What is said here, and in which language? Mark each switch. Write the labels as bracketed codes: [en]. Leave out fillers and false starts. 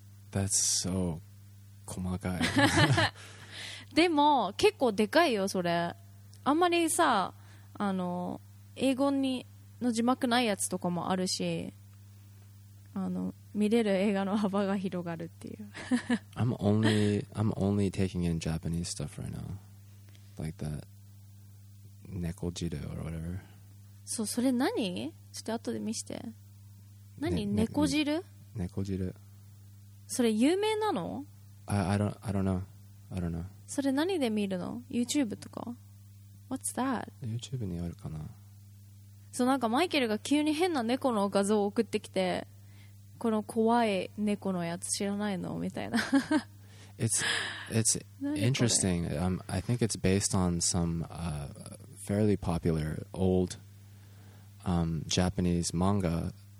[en] That's so [ja] 細かい。でも結構でかいよそれ。あんまりさ、あの英語にの字幕ないやつとかもあるし、あの見れる映画の幅が広がるっていう。 [en] I'm only taking in Japanese stuff right now, like that 猫汁 or whatever. [ja] そう、それ何？ちょっと後で見して。何、ね、猫汁？猫汁。それ有名なの [en] ？I don't know. [ja] それ何で見るの ？YouTube とか ？ [en] What's that？ [ja] YouTube にあるかな。そう、なんかマイケルが急に変な猫の画像を送ってきて、この怖い猫のやつ知らないのみたいな。 [en] It's interesting. I think it's based on some fairly popular old Japanese manga.